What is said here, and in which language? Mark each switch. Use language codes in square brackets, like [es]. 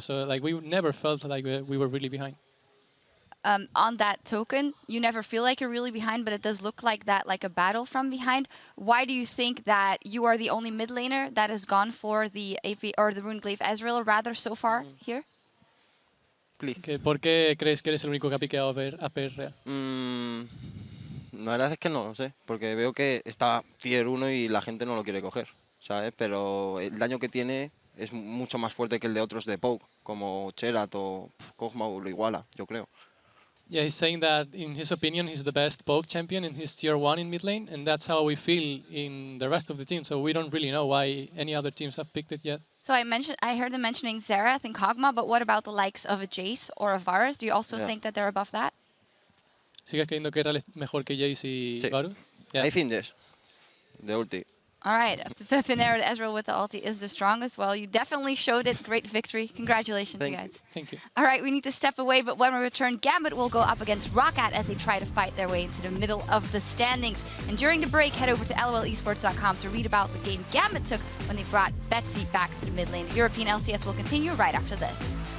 [en] So like, we never felt like we were really behind. On that token, you never feel like you're really behind, but it does look like that, like a battle from behind. Why do you think that you are the only mid laner that has gone for the AP or the Runeglaive Ezreal rather so far here? Please. [es] ¿Por qué crees que eres el único que ha piqueado a PR? La verdad es que no lo sé, porque veo que está tier 1 y la gente no lo quiere coger, ¿sabes? Pero el daño que tiene es mucho más fuerte que el de otros de Poke, como Cherat o Kog'Maw o Iguala, yo creo. [en] Yeah, he's saying that in his opinion he's the best Poke champion in his tier 1 in mid lane, and that's how we feel in the rest of the team, so we don't really know why any other teams have picked it yet. So I heard them mentioning Xerath and Kog'Maw, but what about the likes of a Jace or a Varus? Do you also think that they're above that? [es] ¿Sigues creyendo que era mejor que Jace y Varus? [en] Yeah. I think this. The ulti. All right, Pepinero to Ezreal with the ulti is the strongest. Well, you definitely showed it. Great victory. Congratulations, thank you guys. Thank you. All right, we need to step away, but when we return, Gambit will go up against Rocket as they try to fight their way into the middle of the standings. And during the break, head over to lolesports.com to read about the game Gambit took when they brought Betsy back to the mid lane. The European LCS will continue right after this.